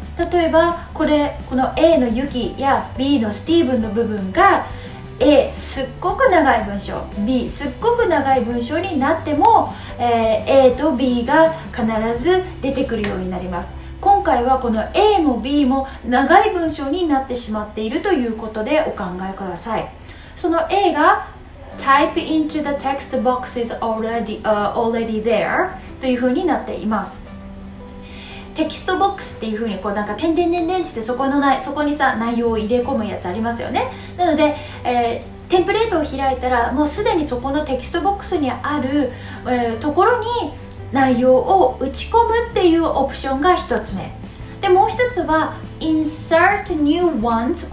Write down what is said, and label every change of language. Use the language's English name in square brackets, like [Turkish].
[Japanese] 例えばこれこの A の Yuki や B の Steven の部分が A すっごく長い文章、 B すっごく長い文章になっても、A と B が必ず出てくるようになります。今回はこの A も B も長い文章になってしまっているということでお考えください。その A が [English] Type into the text box is already there [Japanese] というふうになっています。テキストボックスっていうふうにこうなんか点点点点してそこのないそこにさ内容を入れ込むやつありますよね。なので、テンプレートを開いたらもうすでにそこのテキストボックスにある、ところに内容を打ち込むっていうオプションが一つ目で、もう一つは [English] insert new ones。